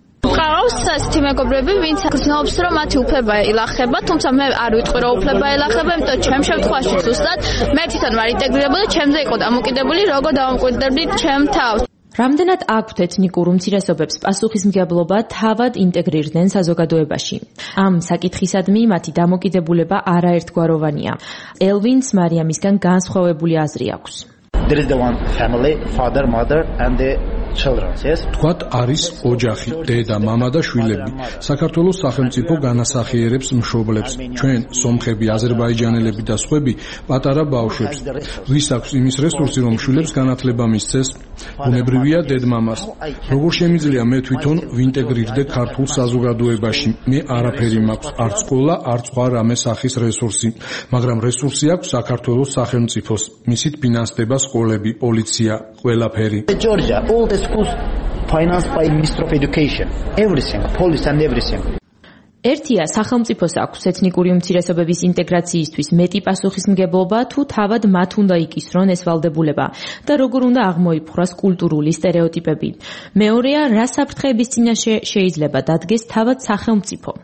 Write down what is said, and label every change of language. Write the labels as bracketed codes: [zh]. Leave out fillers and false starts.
[ka] ყავს ასეთი მეგობრები, ვინც გრძნობს, რომ მათი უფლება ილახება, თუმცა მე არ ვიტყვი, რომ უფლება ილახება, იმიტომ ჩემ შემთხვევაში ზუსტად მე თვითონ ვარ ინტეგრირებული, ჩემზე იყო დამოკიდებული, როგორ დავამკვიდრდი ჩემ თავს. რამდენად აქვთ ეთნიკურ უმცირესობებს პასუხისმგებლობა თავად ინტეგრირდნენ საზოგადოებაში? ამ საკითხისადმი მათი დამოკიდებულება არაერთგვაროვანია. ელვინს მარიამისგან განსხვავებული აზრი აქვს. [en] There is the one family, father, mother and the children, yes? [ka] თქვათ არის ოჯახი, დედა, მამა და შვილები. საქართველოს სახელმწიფო განასახიერებს მშობლებს. ჩვენ სომხები, აზერბაიჯანელები და სხვები პატარა ბავშვებს, ვის აქვს იმის რესურსი, რომ შვილებს განათლება მისცეს? უნებრივია დედმამას. როგორ შემიძლია მე თვითონ ვინტეგრირდე ქართულ საზოგადოებაში? მე არაფერი მაქვს, არც სკოლა, არც სხვა რამე სახის რესურსი, მაგრამ რესურსი აქვს საქართველოს სახელმწიფოს. მისით ფინანსდება სკოლები, პოლიცია, ყველაფერი. [en] All the schools financed by Minister of Education. Everything, police and everything. [ka] ერთია, სახელმწიფოს აქვს ეთნიკური უმცირესობების ინტეგრაციისთვის მეტი პასუხისმგებლობა, თუ თავად მათ უნდა იკისრონ ეს ვალდებულება და როგორ უნდა აღმოიფხვრას კულტურული სტერეოტიპები. მეორეა, რა საფრთხეების წინაშე შეიძლება დადგეს თავად სახელმწიფო.